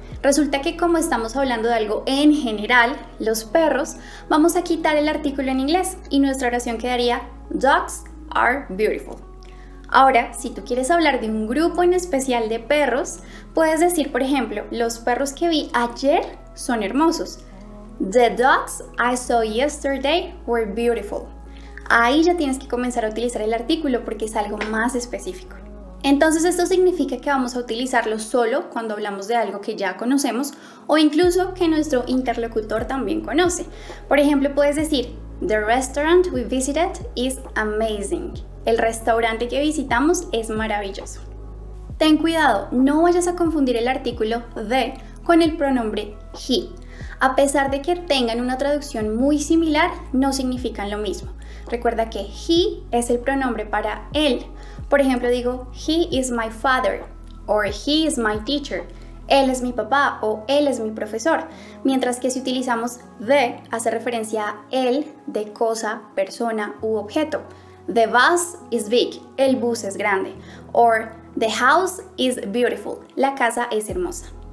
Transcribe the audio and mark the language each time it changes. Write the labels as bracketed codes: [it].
[es] Resulta que como estamos hablando de algo en general, los perros, vamos a quitar el artículo en inglés y nuestra oración quedaría, [en] dogs are beautiful. [es] Ahora, si tú quieres hablar de un grupo en especial de perros, puedes decir, por ejemplo, los perros que vi ayer son hermosos. [en] The dogs I saw yesterday were beautiful. [es] Ahí ya tienes que comenzar a utilizar el artículo porque es algo más específico. Entonces, esto significa que vamos a utilizarlo solo cuando hablamos de algo que ya conocemos o incluso que nuestro interlocutor también conoce. Por ejemplo, puedes decir, [en] the restaurant we visited is amazing. [es] El restaurante que visitamos es maravilloso. Ten cuidado, no vayas a confundir el artículo de con el pronombre he. A pesar de que tengan una traducción muy similar, no significan lo mismo. Recuerda que he es el pronombre para él. Por ejemplo, digo, [en] he is my father, or he is my teacher. [es] Él es mi papá o él es mi profesor. Mientras que si utilizamos the, hace referencia a él, de cosa, persona u objeto. [en] The bus is big, [es] el bus es grande. [en] Or the house is beautiful, [es] la casa es hermosa.